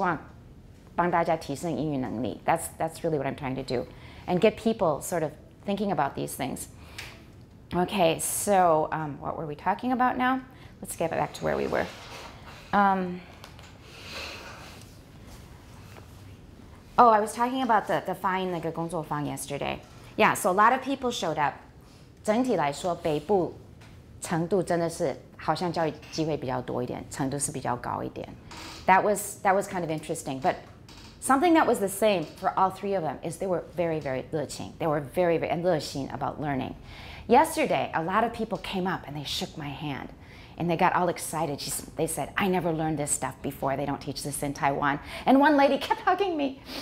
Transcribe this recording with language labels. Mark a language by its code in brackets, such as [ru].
[zh] 我花我自己的时间没有拿到钱，就是这个做义务的，希望帮大家提升英语能力. [en] That's really what I'm trying to do. And get people sort of thinking about these things. Okay, so what were we talking about now? Let's get back to where we were. Oh, I was talking about the fine [zh] 那个工作坊 [en] yesterday. Yeah, so a lot of people showed up. [zh] 整体来说，北部程度真的是好像教育机会比较多一点，程度是比较高一点. [en] That was kind of interesting. But something that was the same for all three of them is they were very, very [zh] 热情. [en] They were very, very [zh] 热心 [en] about learning. Yesterday, a lot of people came up and they shook my hand. And they got all excited. They said, I never learned this stuff before. They don't teach this in Taiwan. And one lady kept hugging me.